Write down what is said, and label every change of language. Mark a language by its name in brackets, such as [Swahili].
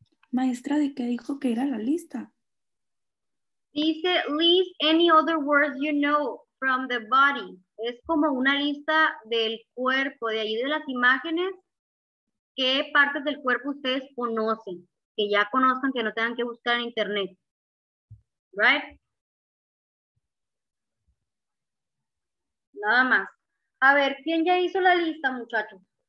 [Spanish] Maestra, ¿de qué dijo que era la lista? Dice, [English] list any other words you know from the body. [Spanish] Es como una lista del cuerpo, de ahí de las imágenes, qué partes del cuerpo ustedes conocen, que ya conozcan, que no tengan que buscar en internet. Right? Nada más. A ver, ¿quién ya hizo la lista, muchachos?